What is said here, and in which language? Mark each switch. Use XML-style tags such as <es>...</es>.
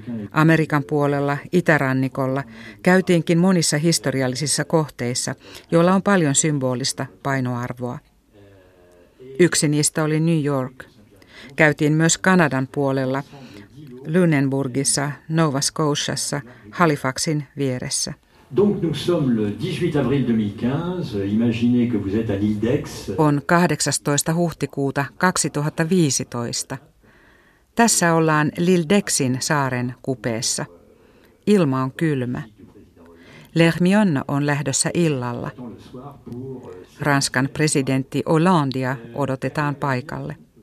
<fi>Amerikan puolella, itärannikolla, käytiinkin monissa historiallisissa kohteissa, joilla on paljon symbolista painoarvoa. Yksi niistä oli New York. Käytiin myös Kanadan puolella, Lunenburgissa, Nova Scotiassa, Halifaxin vieressä.</fi> <fr>Donc nous sommes le 18 avril 2015. Imaginez que vous êtes à l'île d'Aix.</fr> <fi>On 18. huhtikuuta 2015. Tässä ollaan l'île d'Aixin saaren kupeessa. Ilma on kylmä. Lermion on lähdössä illalla. Ranskan presidentti Hollandea odotetaan paikalle.</fi>